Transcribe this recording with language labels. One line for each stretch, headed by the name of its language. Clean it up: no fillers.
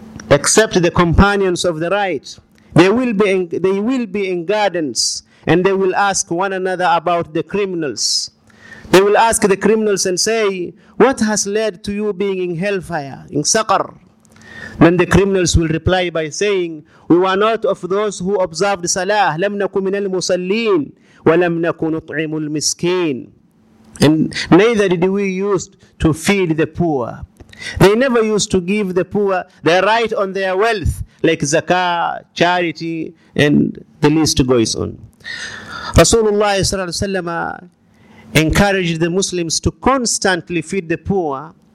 English: Except the companions of the right, they will be in gardens, and they will ask one another about the criminals. They will ask the criminals and say, "What has led to you being in hellfire, in Saqar?" Then the criminals will reply by saying, "We were not of those who observed salah.
Arabic: لم نكن من المصلين ولم نكن نطعم المسكين.
English: And neither did we used to feed the poor." They never used to give the poor their right on their wealth, like zakah, charity, and the list goes on. Rasulullah sallallahu alaihi wasallam encouraged the Muslims to constantly feed the poor.